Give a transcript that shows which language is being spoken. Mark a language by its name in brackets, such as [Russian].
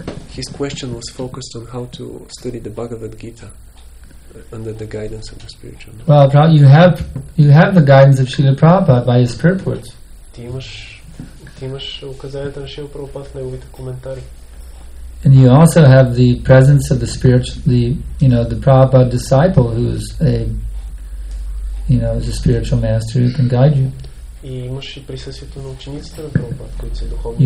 [English] His question was focused on how to study the Bhagavad Gita under the guidance of the spiritual. Well, you have the guidance of Srila Prabhupada by his purports. [Bulgarian] Имаш указанията на Шрила Прабхупада в неговите коментари. [English] And you also have the presence of the spiritual, the, you know, the Prabhupada disciple who is a, you know, is a spiritual master who can guide you. [Bulgarian] И имаш и присъствието на учениците на Прабхупада, които са духовни.